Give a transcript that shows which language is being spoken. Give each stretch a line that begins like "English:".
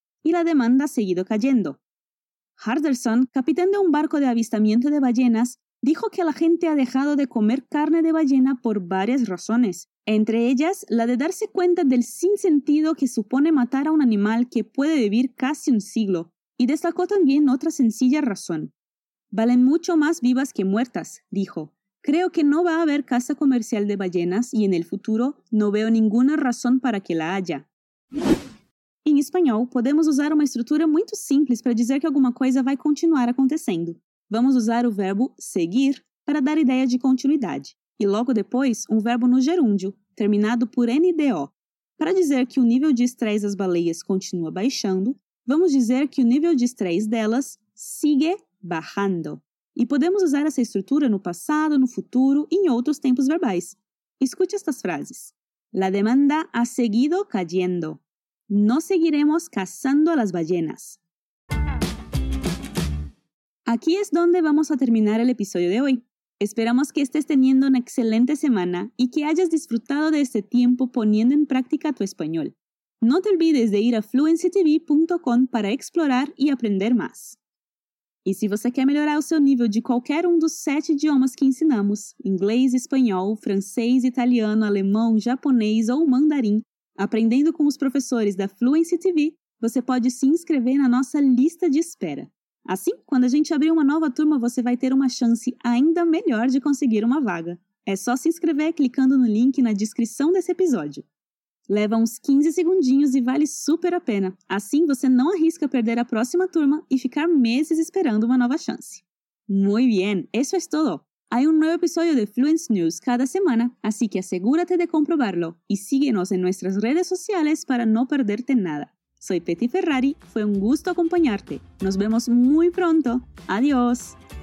Spanish: Y la demanda ha seguido cayendo. Harderson, capitán de un barco de avistamiento de ballenas, dijo que la gente ha dejado de comer carne de ballena por varias razones, entre ellas la de darse cuenta del sinsentido que supone matar a un animal que puede vivir casi un siglo, y destacó también otra sencilla razón. «Valen mucho más vivas que muertas», dijo. «Creo que no va a haber caza comercial de ballenas y en el futuro no veo ninguna razón para que la haya». En español,
Portuguese: podemos usar uma estrutura muito simples para dizer que alguma coisa vai continuar acontecendo. Vamos usar o verbo seguir para dar ideia de continuidade, e logo depois, um verbo no gerúndio, terminado por NDO. Para dizer que o nível de estresse das baleias continua baixando, vamos dizer que o nível de estresse delas
Spanish: sigue bajando.
Portuguese: E podemos usar essa estrutura no passado, no futuro e em outros tempos verbais. Escute estas frases.
Spanish: La demanda ha seguido cayendo. No seguiremos cazando a las ballenas. Aquí es donde vamos a terminar el episodio de hoy. Esperamos que estés teniendo una excelente semana y que hayas disfrutado de este tiempo poniendo en práctica tu español. No te olvides de ir a fluencytv.com para explorar y aprender más.
Portuguese: Y si você quer melhorar o seu nível de qualquer dos 7 idiomas que ensinamos, inglês, espanhol, francês, italiano, alemão, japonês ou mandarim, aprendendo com os professores da Fluency TV, você pode se inscrever na nossa lista de espera. Assim, quando a gente abrir uma nova turma, você vai ter uma chance ainda melhor de conseguir uma vaga. É só se inscrever clicando no link na descrição desse episódio. Leva uns 15 segundinhos e vale super a pena. Assim, você não arrisca perder a próxima turma e ficar meses esperando uma nova chance.
Spanish: Muy bien, eso es todo. Hay un nuevo episodio de Fluency News cada semana, así que asegúrate de comprobarlo y síguenos en nuestras redes sociales para no perderte nada. Soy Peti Ferrari, fue un gusto acompañarte. Nos vemos muy pronto. Adiós.